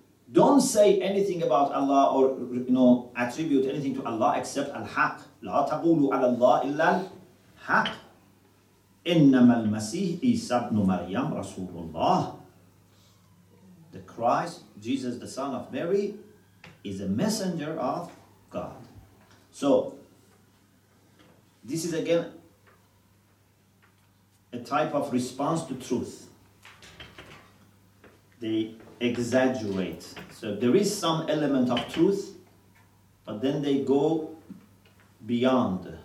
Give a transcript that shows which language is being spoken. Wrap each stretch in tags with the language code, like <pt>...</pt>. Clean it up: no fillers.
<en>Don't say anything about Allah or attribute anything to Allah except الحق.</en> <ar>لا تقولوا على الله إلا الحق. إنما المسيح عيسى بن مريم رسول الله.</ar> <en>The Christ, Jesus, the Son of Mary, is a messenger of God. So, this is again a type of response to truth. They exaggerate. So there is some element of truth, but then they go beyond.</en>